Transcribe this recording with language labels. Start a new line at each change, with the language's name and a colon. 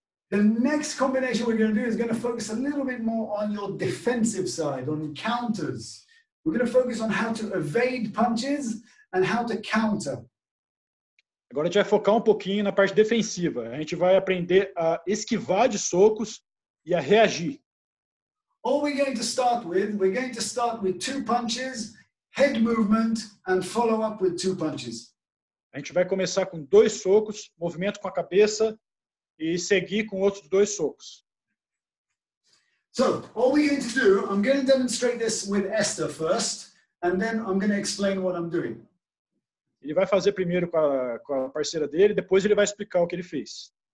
English: The next combination we're going to do is going to focus a little bit more on your defensive side, on counters. We're going to focus on how to evade punches and how to counter.
Portuguese: Agora a gente vai focar um pouquinho na parte defensiva. A gente vai aprender a esquivar de socos e a reagir.
English: All we're going to start with, we're going to start with two punches, head movement, and follow up with two punches.
Portuguese: A gente vai começar com dois socos, movimento com a cabeça, e seguir com outros dois socos.
English: So, all we're going to do, I'm going to demonstrate this with Esther first, and then I'm going to explain what I'm doing.
Portuguese: Ele vai fazer primeiro com a parceira dele, depois ele vai explicar o que ele fez.